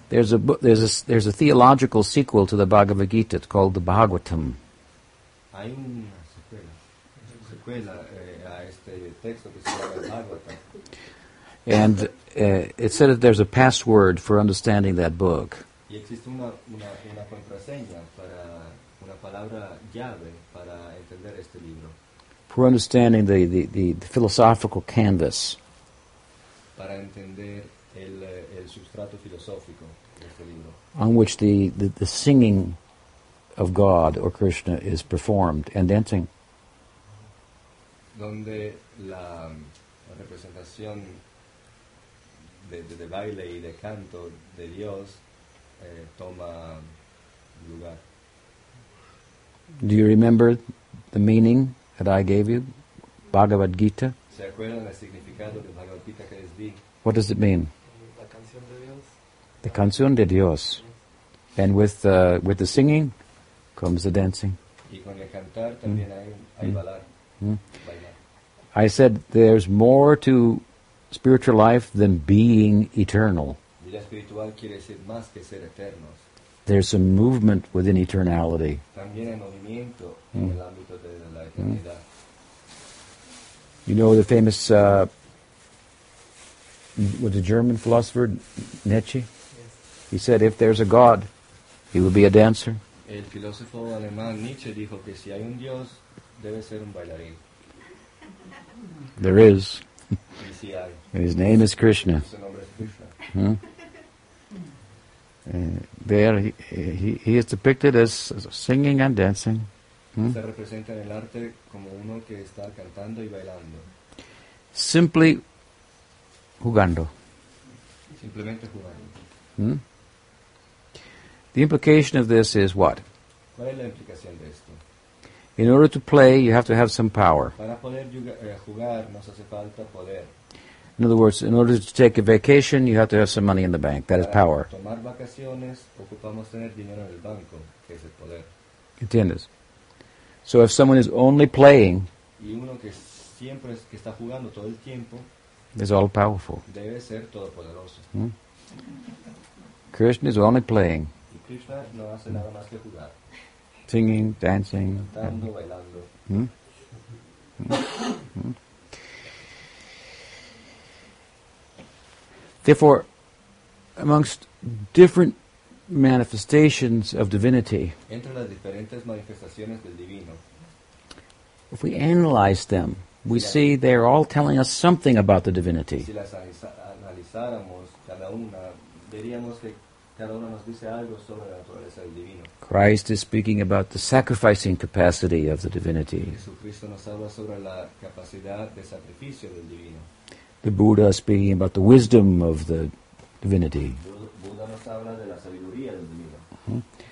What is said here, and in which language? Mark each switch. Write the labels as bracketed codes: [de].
[en] There's a theological sequel to the Bhagavad Gita. It's called the Bhagavatam. [es] Hay una secuela a este texto que se llama Bhagavatam. [en] And it said that there's a password for understanding that book. [es] Y existe una contraseña para una palabra llave para entender este libro. [en] For understanding the philosophical canvas. [es] Para entender el substrato filosófico. [en] On which the singing of God or Krishna is performed and dancing. [es] Donde la representación de baile y de canto de Dios toma lugar. [en] Do you remember the meaning that I gave you, Bhagavad Gita? [es] ¿Se acuerdan el significado de Bhagavad Gita que les di? [en] What does it mean? The [es] canción de Dios. [en] And with the singing comes the dancing. [es] Y con el cantar también hay bailar. [en] I said there's more to spiritual life than being eternal. [es] Vida espiritual quiere decir más que ser eternos. [en] There's some movement within eternality. [es] También hay movimiento en el ámbito de la eternidad. [en] You know the famous, what the German philosopher, Nietzsche? Yes. He said, if there's a God, he will be a dancer. [es] El filósofo alemán Nietzsche dijo que si hay un Dios, debe ser un bailarín. [en] There is. [es] Y si hay. [en] And his name is Krishna. [es] Su nombre es Krishna. Huh? [en] There he is depicted as singing and dancing. [es] Se representa en el arte como uno que está cantando y bailando. [en] Simply jugando. [es] Simplemente jugando. [en] The implication of this is what? [es] ¿Cuál es la implicación de esto? [en] In order to play, you have to have some power. [es] Para poder jugar, nos hace falta poder. [en] In other words, in order to take a vacation, you have to have some money in the bank. That [es] para [en] is power. [es] Tomar vacaciones, ocupamos tener dinero en el banco, que es el poder. ¿Entiendes? [en] So if someone is only playing, [es] y uno que siempre es, que está jugando todo el tiempo, [en] is all powerful. [es] Debe ser todopoderoso. [en] Krishna is only playing. [es] Y Krishna no hace nada más que jugar. [en] Singing, dancing. [es] Cantando, bailando. [en] Therefore, amongst different manifestations of divinity, [es] entre las diferentes manifestaciones del divino, [en] if we analyze them, we see they're all telling us something about the divinity. [es] Si las analizáramos cada una, veríamos que cada una nos dice algo sobre la naturaleza del divino. [en] Christ is speaking about the sacrificing capacity of the divinity. [es] Jesucristo nos habla sobre la capacidad de sacrificio del divino. [en] The Buddha is speaking about the wisdom of the divinity. [es] Buda nos habla de la sabiduría del divino.